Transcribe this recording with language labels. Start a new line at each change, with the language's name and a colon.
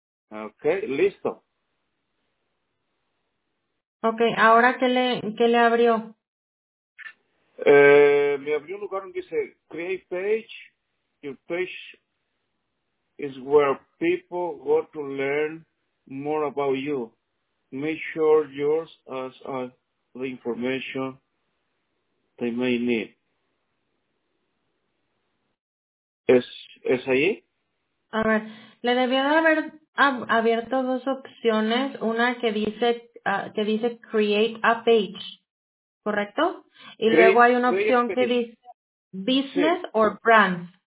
Spanish: Ok, listo. Ok, ahora ¿qué le abrió? Me abrió un lugar donde dice
English: create page. Your page is where people go to learn more about you. Make sure yours has all the information they may need.
Spanish: ¿Es ahí? A ver, le debió de haber abierto dos opciones, una que dice
English: create a page,
Spanish: ¿correcto? Y
English: create,
Spanish: luego hay una opción que dice business, sí,
English: or brand.